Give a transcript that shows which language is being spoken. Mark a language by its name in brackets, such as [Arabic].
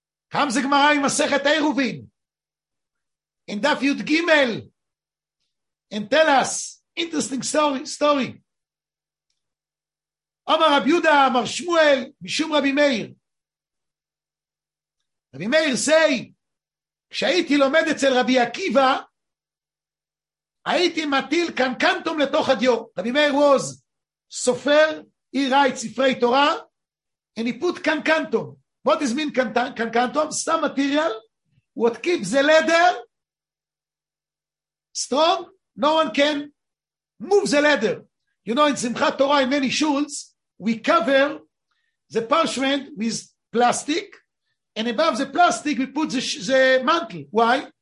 [English] Comes the Gemara in Masechet Eiruvin, in Daf Yud Gimel, and tell us interesting story. [Hebrew] Amar Rabbi Yuda, Amar Shmuel, Mishum Rabbi Meir. [English] Rabbi Meir say, [Hebrew] כשהייתי לומד אצל רבי עקיבא, הייתי מטיל קנקנטום לתוך הדיו. [English] רבי מאיר ווז, סופר, he writes ספרי תורה, and he put קנקנטום. What is mean קנקנטום? Some material, what keeps the leather strong, no one can move the leather. You know, in שמחת תורה, in many shuls, we cover the parchment with plastic, and above the plastic, we put the mantle. Why?